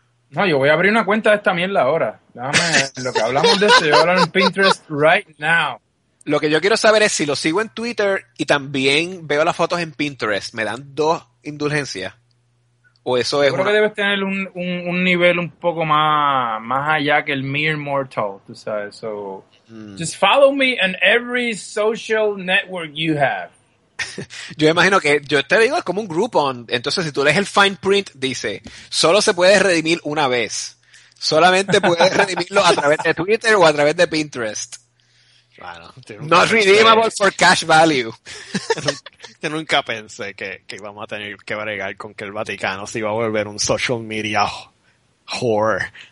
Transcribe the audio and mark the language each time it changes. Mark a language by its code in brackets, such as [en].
[es] No, yo voy a abrir una cuenta de esta mierda ahora. Dame, lo que hablamos de esto, yo voy a hablar en Pinterest [en] right now. [es] Lo que yo quiero saber es si lo sigo en Twitter y también veo las fotos en Pinterest, ¿me dan dos indulgencias? O eso yo es. Yo creo que debes tener un nivel un poco más allá que el [en] mere mortal, [es] tú sabes. [en] So, just follow me in every social network you have. [es] Yo imagino que, yo te digo, es como un Groupon. Entonces, si tú lees el [en] fine print, [es] dice: solo se puede redimir una vez. Solamente puedes redimirlo a través de Twitter o a través de Pinterest. Bueno, [en] not redeemable for cash value. [es] Yo nunca pensé que íbamos a tener que bregar con que el Vaticano se iba a volver un [en] social media whore.